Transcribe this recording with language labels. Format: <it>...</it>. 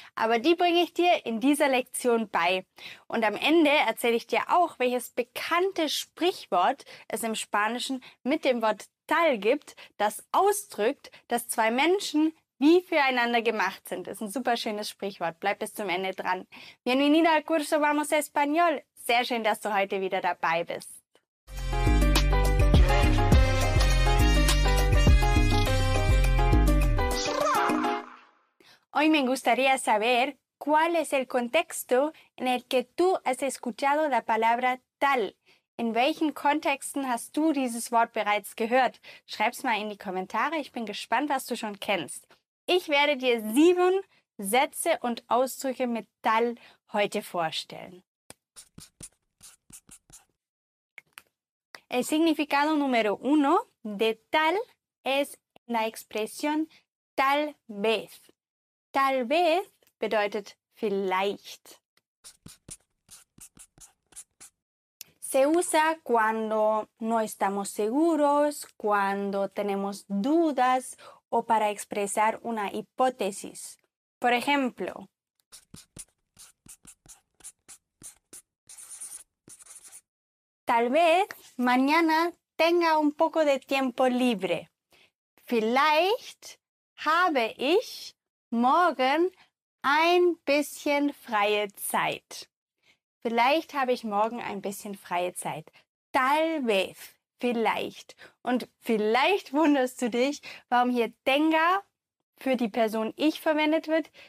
<de>Aber die bringe ich dir in dieser Lektion bei. Und am Ende erzähle ich dir auch, welches bekannte Sprichwort es im Spanischen mit dem Wort tal gibt, das ausdrückt, dass zwei Menschen wie füreinander gemacht sind. Das ist ein super schönes Sprichwort. Bleib bis zum Ende dran.</de> <es>Bienvenida al curso Vamos Español.</es> <de>Sehr schön, dass du heute wieder dabei bist.</de> <es>Hoy me gustaría saber cuál es el contexto en el que tú has escuchado la palabra tal.</es> <de>In welchen Kontexten hast du dieses Wort bereits gehört? Schreib's mal in die Kommentare. Ich bin gespannt, was du schon kennst. Ich werde dir 7 Sätze und Ausdrücke mit tal heute vorstellen.</de> <es>El significado número uno de tal es la expresión tal vez. Tal vez</es> <de>bedeutet vielleicht.</de> <es>Se usa cuando no estamos seguros, cuando tenemos dudas o para expresar una hipótesis. Por ejemplo, tal vez mañana tenga un poco de tiempo libre.</es> <de>Vielleicht habe ich morgen ein bisschen freie Zeit. Vielleicht habe ich morgen ein bisschen freie Zeit.</de> <es>Tal vez.</es> <de>Vielleicht. Und vielleicht wunderst du dich, warum hier tenga für die Person ich verwendet wird.</de>